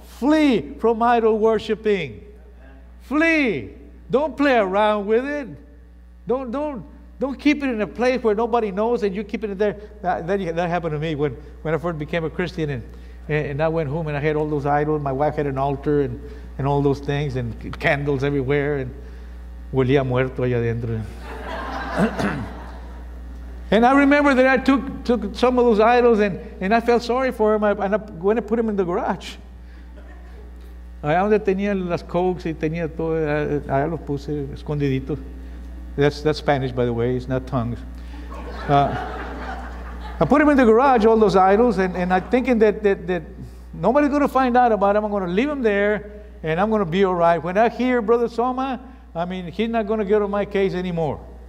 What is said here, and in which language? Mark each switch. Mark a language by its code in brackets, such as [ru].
[en] Flee from idol worshiping. Flee. Don't play around with it. Don't keep it in a place where nobody knows and you keep it in there. That happened to me when I first became a Christian. And I went home and I had all those idols. My wife had an altar and all those things and candles everywhere. [es] And huelía muerto allá adentro. [en] And I remember that I took some of those idols and I felt sorry for them. I went and put them in the garage. [es] Allá donde tenía las cokes y tenía todo, allá los puse escondiditos. [en] That's Spanish, by the way. It's not tongues. I put them in the garage, all those idols, and I'm thinking that nobody's going to find out about them. I'm going to leave them there, and I'm going to be all right. When I hear Brother Soma, I mean, he's not going to get on my case anymore.